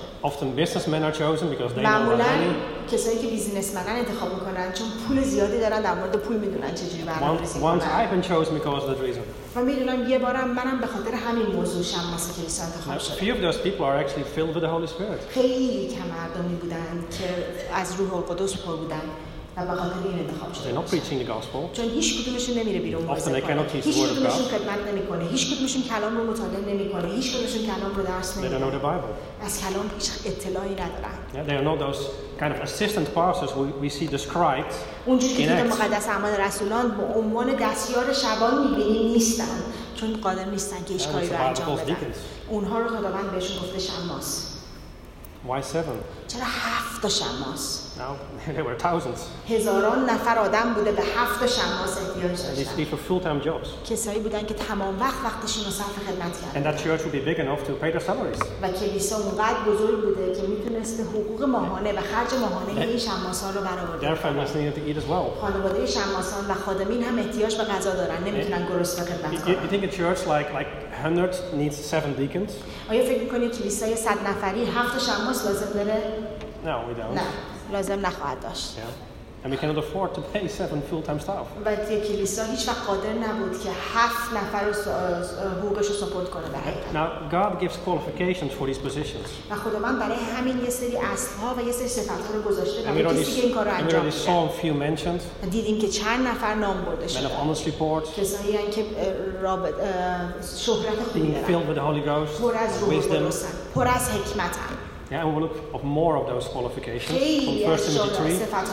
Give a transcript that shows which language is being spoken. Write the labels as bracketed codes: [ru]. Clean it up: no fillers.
[en] Often businessmen are chosen because they know money. [fa] کسایی که بیزینسمنان انتخاب میکنن چون پول زیادی دارن، در مورد پول میدونن چجوری برنامه‌ریزی کنن. و میدونم یه بارم منم به خاطر همین موضوع شماس کلیسا انتخاب شدم. [en] Few of those people are actually filled with the Holy Spirit. [fa] خیلی کم مردمی بودن که از روح القدس پر بودن و به خاطر این انتخاب شدن. [en] They're not preaching the gospel. [fa] چون هیچ کدومشون نمیره بیرون. [en] Often they cannot teach the word of God. [fa] هیچ کدومشون خدمت نمیکنه. هیچ کدومشون کلام رو مطالعه نمیکنه. هیچ کدومشون کلام رو درس نمیده. [en] They don't know the Bible. [fa] از کلام هیچ اطلاعی ندارن. [en] Yeah, they are not those kind of assistant pastors we see described. [fa] اونجوری که در مقدس اعمال رسولان به عنوان دستیار شبان میبینی نیستن، چون قادر نیستن که هیچ کاری رو انجام بدن. اونها رو خداوند بهشون گفته شماس. [en] Why seven? [fa] چرا هفت تا شماس؟ [en] Now there were thousands. [fa] هزاران نفر آدم بوده به هفت تا شماس احتیاج داشتن. [en] These people full-time jobs. [fa] کسایی بودن که تمام وقت وقتشون رو صرف خدمت کردن. [en] And that church would be big enough to pay their salaries. [fa] و کلیسا اونقدر بزرگ بوده که میتونست حقوق ماهانه و خرج ماهانه این شماسا رو برآورده. [en] Their families needed to eat as well. [fa] خانواده شماسان و خادمین هم احتیاج به غذا دارن، نمیتونن گرسنه خدمت کنن. [en] You think a church like 100 needs 7 deacons? [fa] آیا فکر می‌کنی کلیسای 100 نفری 7 شماس لازم داره؟ [en] No, we don't. [fa] نه، لازم نخواهد داشت. [en] Yeah. And we cannot afford to pay 7 full-time staff. [fa] ولی کلیسا هیچ وقت قادر نبود که 7 نفر رو حقوقش رو ساپورت کنه به حقیقت. [en] Now, God gives qualifications for these positions. [fa] و خداوند برای همین یه سری اصل‌ها و یه سری صفت‌ها رو گذاشته برای کسی که این کار رو انجام بده. [en] And we already saw a few mentions. [fa] دیدیم که چند نفر نام برده شده. [en] Men of honest report. [fa] کسایی هستند که رابط شهرت خوبی دارن. [en] Being filled with the Holy Ghost. [fa] پر از روح القدس. پر از حکمت. [en] Yeah, and we'll look at more of those qualifications from 1 Timothy 3